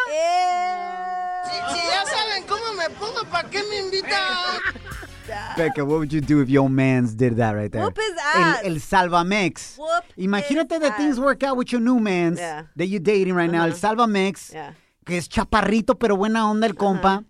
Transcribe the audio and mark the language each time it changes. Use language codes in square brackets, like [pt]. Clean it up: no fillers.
[es] Ya saben cómo me pongo, ¿para qué me invitan? [en] Becca, what would you do if your mans did that right there? Whoop his ass. [es] El Salvamex. [en] Whoop. Imagínate that things work out with your new mans that you're dating right now. El Salvamex. Yeah. [es] Que es chaparrito, pero buena onda el compa.